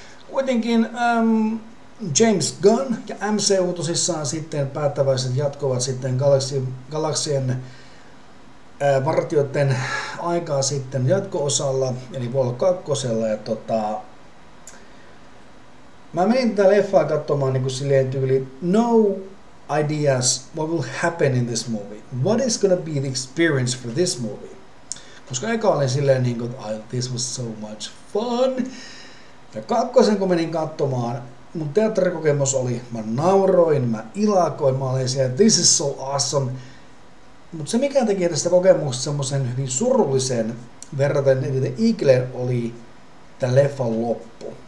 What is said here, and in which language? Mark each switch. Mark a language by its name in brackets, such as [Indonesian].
[Finnish] Kuitenkin James Gunn ja MCU tosissaan sitten päättäväiset jatkovat sitten galaksien vartijoiden aikaa sitten jatko-osalla, eli vuonna kakkosella. Ja mä menin tätä leffaa katsomaan niin kuin silleen tyyli, [English] no ideas what will happen in this movie. What is gonna be the experience for this movie? [Finnish] Koska eka olin silleen niin kuin, [English] oh, this was so much fun. [Finnish] Ja kakkosen, kun menin katsomaan, mun teatterikokemus oli, mä nauroin, mä ilakoin, mä olin siellä, [English] this is so awesome. [Finnish] Mutta se, mikä teki tästä kokemuksesta semmoisen hyvin surullisen verraten, eli The Eagle oli tämän leffan loppu.